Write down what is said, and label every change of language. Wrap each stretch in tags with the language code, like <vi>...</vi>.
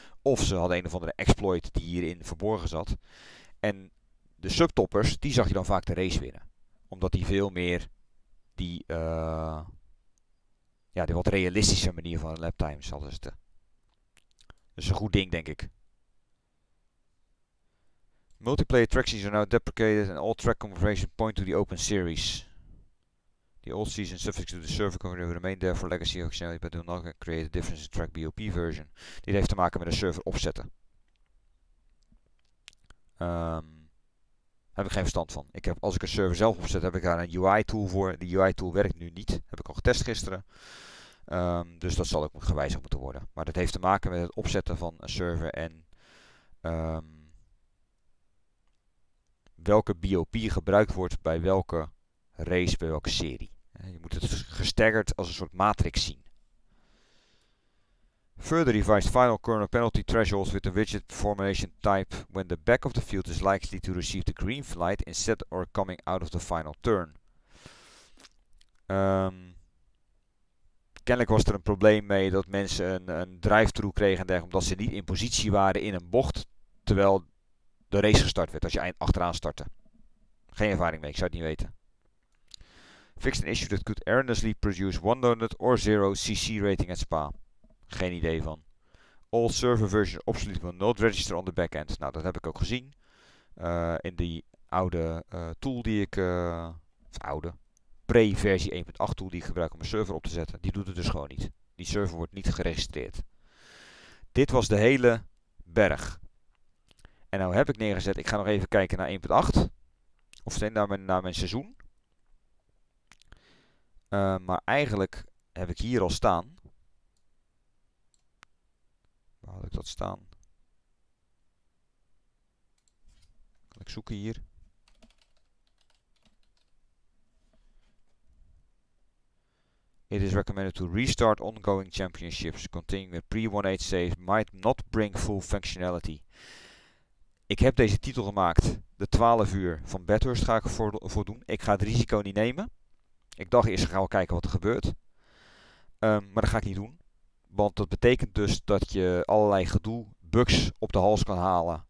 <nl>Of ze hadden een of andere exploit die hierin verborgen zat. En de subtoppers, die zag je dan vaak de race winnen. Omdat die veel meer die wat realistische manier van lap times hadden zitten. Dat is een goed ding, denk ik.</nl> <en>Multiplayer track season are now deprecated and all track configuration point to the open series. The old season suffix to the server configuration remain there for legacy functionality, but do not create a difference in track BOP version.</en> <nl>Dit heeft te maken met de server opzetten. Heb ik geen verstand van. Als ik een server zelf opzet, heb ik daar een UI tool voor. Die UI tool werkt nu niet. Heb ik al getest gisteren. Dus dat zal ook gewijzigd moeten worden. Maar dat heeft te maken met het opzetten van een server en... welke BOP gebruikt wordt bij welke race, bij welke serie. Je moet het gestaggerd als een soort matrix zien.</nl> <en>Further revised final corner penalty thresholds with the widget formation type when the back of the field is likely to receive the green flight instead or coming out of the final turn.</en> <nl>Kennelijk was er een probleem mee dat mensen een drive-through kregen en dergelijke, omdat ze niet in positie waren in een bocht, terwijl de race gestart werd als je achteraan startte. Geen ervaring mee, ik zou het niet weten.</nl> <en>Fixed an issue that could erroneously produce 100 or 0 CC rating at Spa.</en> <nl>Geen idee van.</nl> <en>All server versions obsolete will not register on the backend.</en> <nl>Nou, dat heb ik ook gezien. In die oude tool die ik... oude. Pre-versie 1.8 tool die ik gebruik om mijn server op te zetten. Die doet het dus gewoon niet. Die server wordt niet geregistreerd. Dit was de hele berg. En nou heb ik neergezet, ik ga nog even kijken naar 1.8. Of naar mijn seizoen. Maar eigenlijk heb ik hier al staan. Waar had ik dat staan? Kan ik zoeken hier.</nl> <en>It is recommended to restart ongoing championships. Continuing with pre-1.8 save might not bring full functionality.</en> <nl>Ik heb deze titel gemaakt. De 12 uur van Bathurst ga ik ervoor doen. Ik ga het risico niet nemen. Ik dacht eerst, gaan we kijken wat er gebeurt. Maar dat ga ik niet doen. Want dat betekent dus dat je allerlei gedoe, bugs op de hals kan halen.</nl>